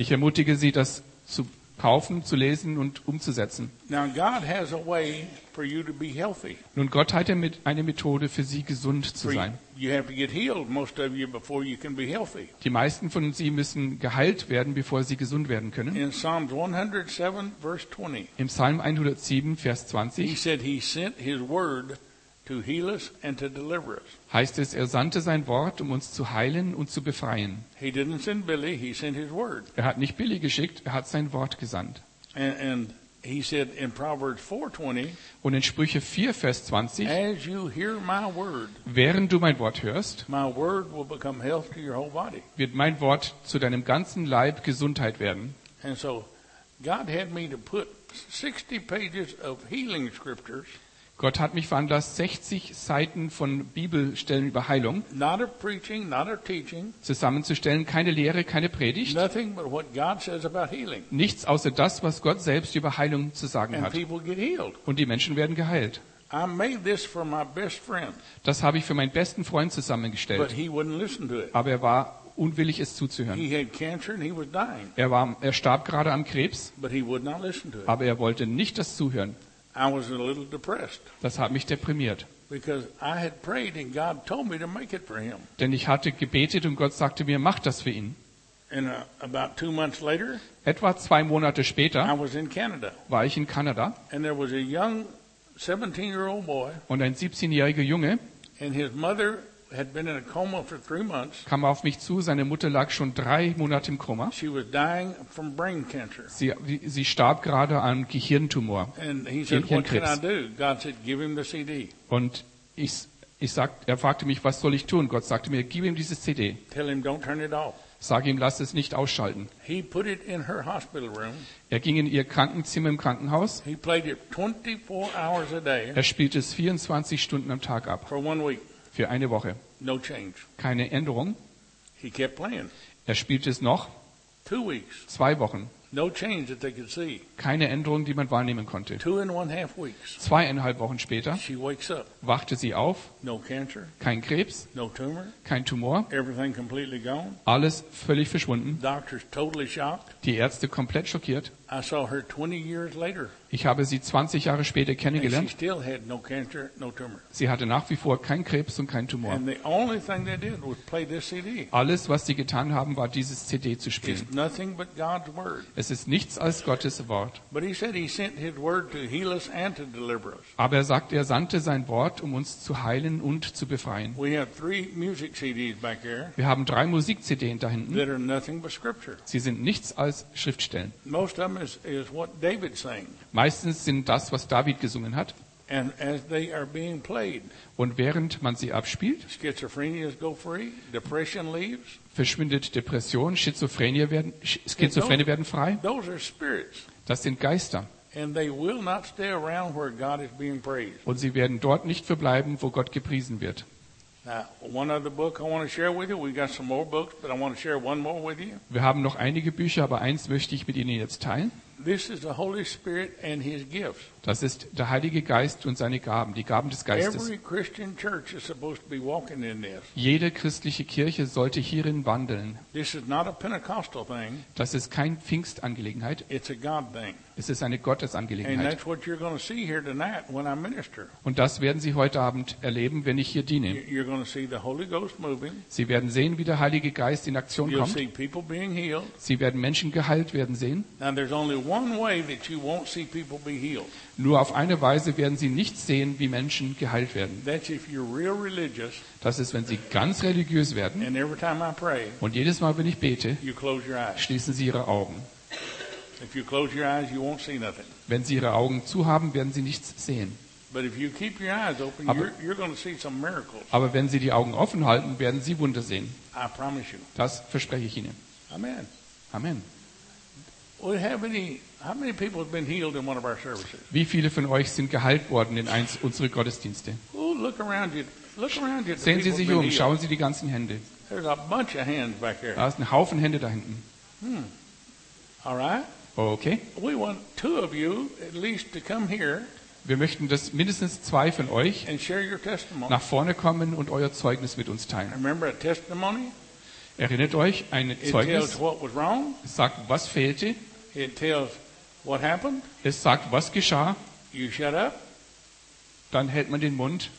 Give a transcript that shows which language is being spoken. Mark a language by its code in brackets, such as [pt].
[de] Ich ermutige sie, das zu kaufen, zu lesen und umzusetzen. [en] Now God has a way for you to be healthy. [de] Nun, Gott hat eine Methode für sie, gesund zu sein. [en] You have to get healed, most of you, before you can be healthy. [de] Die meisten von sie müssen geheilt werden, bevor sie gesund werden können. [en] In Psalm 107, verse 20, [de] im Psalm 107, Vers 20, [en] he said he sent his word to heal us and to deliver us. [de] Heißt es, er sandte sein Wort, um uns zu heilen und zu befreien. [en] He didn't send Billy, he sent his word. [de] Er hat nicht Billy geschickt, er hat sein Wort gesandt. [en] And he said in Proverbs 4:20, [de] und in Sprüche 4, Vers 20, [en] as you hear my word, [de] während du mein Wort hörst, [en] my word will become health to your whole body. [de] Wird mein Wort zu deinem ganzen Leib Gesundheit werden. [en] And so God had me to put 60 pages of healing scriptures. [de] Gott hat mich veranlasst, 60 Seiten von Bibelstellen über Heilung [en] not a preaching, not a teaching, [de] zusammenzustellen, keine Lehre, keine Predigt, [en] nothing but what God says about healing. [de] Nichts außer das, was Gott selbst über Heilung zu sagen [en] and [de] hat. [en] People get healed. [de] Und die Menschen werden geheilt. [en] I made this for my best friend. [de] Das habe ich für meinen besten Freund zusammengestellt. [en] But he wouldn't listen to it. [de] Aber er war unwillig, es zuzuhören. [en] He had cancer and he was dying. [de] Er starb gerade am Krebs, [en] but he would not listen to it. [de] Aber er wollte nicht das zuhören. [en] I was a little depressed. [de] Das hat mich deprimiert. [en] Because I had prayed and God told me to make it for him. [de] Denn ich hatte gebetet und Gott sagte mir, mach das für ihn. [en] And about 2 months later, [de] etwa 2 Monate später, [en] I was in Canada. [de] War ich in Kanada. [en] And there was a young 17-year-old boy. [de] Und ein 17-jähriger Junge. [en] And his mother had been in a coma for 3 months. [de] Kam auf mich zu, seine Mutter lag schon 3 Monate im Koma. [en] She was dying from brain cancer. [de] Sie starb gerade an Gehirntumor. [en] And he said, what can I do? God said, give him the CD. [de] Und er fragte mich, was soll ich tun? Gott sagte mir, gib ihm dieses CD. [en] Tell him, don't turn it off. [de] Sag ihm, lass es nicht ausschalten. [en] He put it in her hospital room. [de] Er ging in ihr Krankenzimmer im Krankenhaus. [en] He played it 24 hours a day. [de] Er spielte es 24 Stunden am Tag ab. [en] For 1 week. [de] Für eine Woche. [en] No change. [de] Keine Änderung. [en] He kept playing. [de] Er spielte es noch [en] 2 weeks. [de] 2 Wochen. [en] No change that they could see. [de] Keine Änderung, die man wahrnehmen konnte. [en] 2.5 weeks. [de] 2,5 Wochen später [en] she wakes up. [de] Wachte sie auf. [en] No cancer. [de] Kein Krebs. [en] No tumor. [de] Kein Tumor. [en] Everything completely gone. [de] Alles völlig verschwunden. [en] Doctors totally shocked. [de] Die Ärzte komplett schockiert. [en] I saw her 20 years later. [de] Ich habe sie 20 Jahre später kennengelernt. [en] And she still had no cancer, no tumor. [de] Sie hatte nach wie vor keinen Krebs und keinen Tumor. [en] And the only thing they did was play this CD. [de] Alles, was sie getan haben, war, dieses CD zu spielen. [en] It's nothing but God's word. [de] Es ist nichts als Gottes Wort. [en] But he said he sent his word to heal us and to deliver us. [de] Aber er sagt, er sandte sein Wort, um uns zu heilen und zu befreien. [en] We have 3 music CDs back here. [de] Wir haben 3 Musik-CDs da hinten. [en] That are nothing but scripture. [de] Sie sind nichts als Schriftstellen. [en] Most of them is what David sang. [de] Meistens sind das, was David gesungen hat. [en] And as they are being played, [de] und während man sie abspielt, [en] Schizophrenia go free, depression leaves. [de] Verschwindet Depression, Schizophrenie werden frei. [en] Those are spirits. [de] Das sind Geister. Und sie werden dort nicht verbleiben, wo Gott gepriesen wird. Wir haben noch einige Bücher, aber eins möchte ich mit Ihnen jetzt teilen. [en] This is the Holy Spirit and his gifts. [de] Das ist der Heilige Geist und seine Gaben, die Gaben des Geistes. [en] Every Christian church is supposed to be walking in this. [de] Jede christliche Kirche sollte hierin wandeln. [en] This is not a Pentecostal thing. [de] Das ist kein Pfingstangelegenheit. [en] It's a God thing. [de] Es ist eine Gottesangelegenheit. [en] And that's what you're going to see here tonight when I minister. [de] Und das werden Sie heute Abend erleben, wenn ich hier diene. [en] You're going to see the Holy Ghost moving. [de] Sie werden sehen, wie der Heilige Geist in Aktion [en] You'll [de] kommt. [en] See people being healed. [de] Sie werden Menschen geheilt werden sehen. [en] And there's only one way that you won't see people be healed. [de] Nur auf eine Weise werden Sie nicht sehen, wie Menschen geheilt werden. [en] That's if you're real religious. [de] Das ist, wenn Sie ganz religiös werden. [en] And every time I pray, [de] und jedes Mal, wenn ich bete, [en] you close your eyes. [de] Schließen Sie Ihre Augen. [en] If you close your eyes, you won't see nothing. [de] Wenn Sie Ihre Augen zuhaben, werden Sie nichts sehen. [en] But if you keep your eyes open, you're going to see some miracles. [de] Aber wenn Sie die Augen offen halten, werden Sie Wunder sehen. [en] I promise you. [de] Das verspreche ich Ihnen. [en] Amen. [de] Amen. [en] How many people have been healed in one of our services? [de] Wie viele von euch sind geheilt worden in eins unserer Gottesdienste? [en] Oh, look around you. Look around you. [de] Sehen Sie sich um. Schauen Sie die ganzen Hände. [en] There's a bunch of hands back here. [de] Da ist ein Haufen Hände da hinten. [en] All right. [de] Okay. [en] We want 2 of you at least to come here. [de] Wir möchten, dass mindestens 2 von euch [en] and share your testimony. [de] Nach vorne kommen und euer Zeugnis mit uns teilen. [en] Remember a testimony? [de] Erinnert euch, ein Zeugnis. [en] It tells what was wrong. [de] Sagt, was fehlte. [en] It tells what happened. [de] Es sagt, was geschah. [en] You shut up. [de] Dann hält man den Mund.